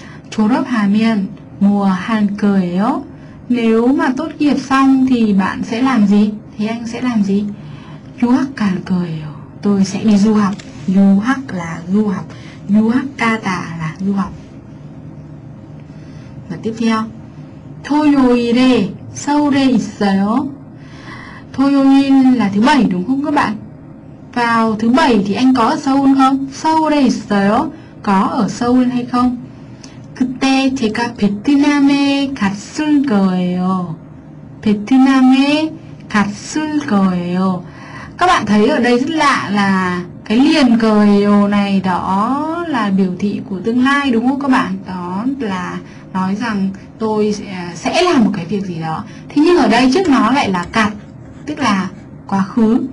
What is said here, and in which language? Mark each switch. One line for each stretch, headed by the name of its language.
Korean: 졸업하면 뭐 할 거예요?
Vietnamese: Nếu mà tốt nghiệp xong thì bạn sẽ làm gì? Thì anh sẽ làm gì?
Korean: 유학 갈 거예요.
Vietnamese: Tôi sẽ đi du học.
Korean: 유학
Vietnamese: là du học.
Korean: 유학하다
Vietnamese: là du học. Và tiếp theo.
Korean: 토요일에 서울에 있어요. 토요일
Vietnamese: là thứ bảy đúng không các bạn? Vào thứ bảy thì anh có ở Seoul không?
Korean: 서울에 있어요.
Vietnamese: Có ở Seoul hay không?
Korean: 그때 제가 베트남에 갔을 거예요. 베트남에 갔을 거예요.
Vietnamese: Các bạn thấy ở đây rất lạ là cái liền
Korean: 거예요
Vietnamese: này đó là biểu thị của tương lai đúng không các bạn? Đó là nói rằng tôi sẽ làm một cái việc gì đó. Thế nhưng ở đây trước nó lại là cặt, tức là quá khứ.